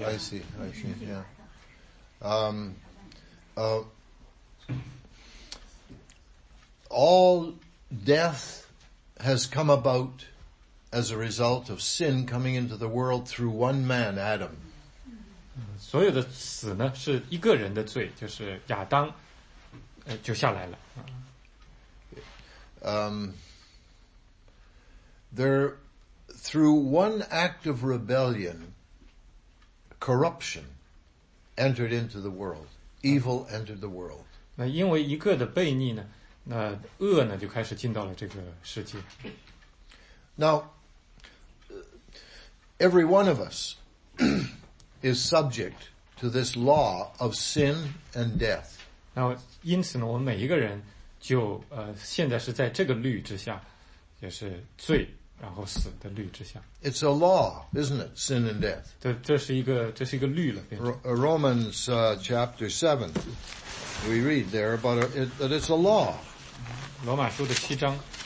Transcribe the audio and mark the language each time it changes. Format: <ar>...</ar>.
<en>Oh, I see. Yeah. All death has come about as a result of sin coming into the world through one man, Adam.</en> <zh>所有的死呢，是一个人的罪，就是亚当，就下来了。</zh> <en>There through one act of rebellion, corruption entered into the world. Evil entered the world.</en> <zh>那因为一个的悖逆呢，那恶呢就开始进到了这个世界。</zh> <en>Now, every one of us. is subject to this law of sin and death.</en> <zh>那因此呢，我们每一个人就现在是在这个律之下，也是罪然后死的律之下。</zh> <en>It's a law, isn't it? Sin and death.</en> <zh>这是一个律了。</zh> <en>Romans chapter 7, we read there about that it's a law.</en> <zh>罗马书的七章。</zh>